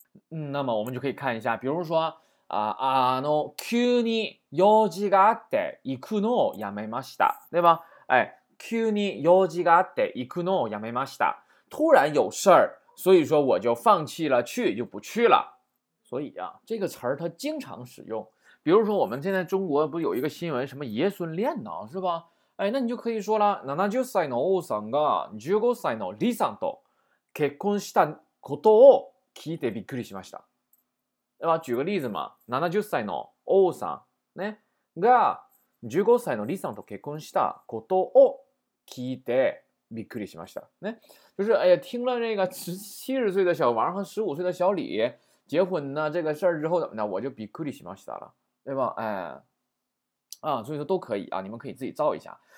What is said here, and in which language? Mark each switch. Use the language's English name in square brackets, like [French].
[Chinese] 嗯，那么我们就可以看一下，比如说啊の [Japanese] 急に用事があって行くのをやめました， [Chinese] 对吧？哎， [Japanese] 急に用事があって行くのをやめました， [Chinese] 突然有事儿，所以说我就放弃了去，就不去了。所以啊，这个词儿它经常使用。比如说我们现在中国不有一个新闻，什么爷孙恋呢，是吧？哎，那你就可以说了， [Japanese] 70歳のおさんが15歳のリさんと結婚したことを聞いてびっくりしました。 [Chinese] 对吧，举个例子嘛， [Japanese] 70歳の王さん、ね、が15歳のリさんと結婚したことを聞いてびっくりしました、 [Chinese] ね、就是哎呀，听了那个70岁的小王和15岁的小李结婚呢这个事儿之后怎么的，我就びっくりしました了，对吧，哎啊，所以说都可以啊，你们可以自己造一下。